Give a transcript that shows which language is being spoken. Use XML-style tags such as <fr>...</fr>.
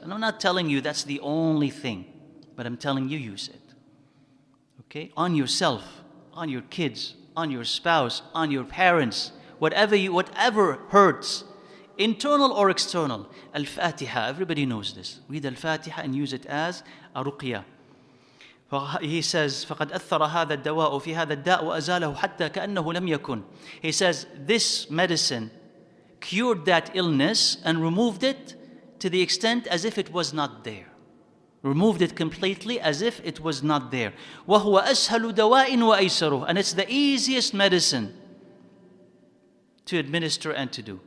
<en>And I'm not telling you that's the only thing, but I'm telling you use it. Okay? On yourself, on your kids, on your spouse, on your parents, whatever hurts, internal or external, Al-Fatiha, everybody knows this. Read Al-Fatiha and use it as a ruqya. He says,</en> <ar>فَقَدْ أَثَّرَ هَذَا الدَّوَاءُ فِي هَذَا الدَّاءُ وَأَزَالَهُ حَتَّى كَأَنَّهُ لَمْ يَكُنْ.</ar> <en>He says, this medicine cured that illness and removed it to the extent as if it was not there. Removed it completely as if it was not there.</en> <ar>وَهُوَ أَسْهَلُ دَوَاءٍ وَأَيْسَرُهُ.</ar> <en>And it's the easiest medicine to administer and to do.</en>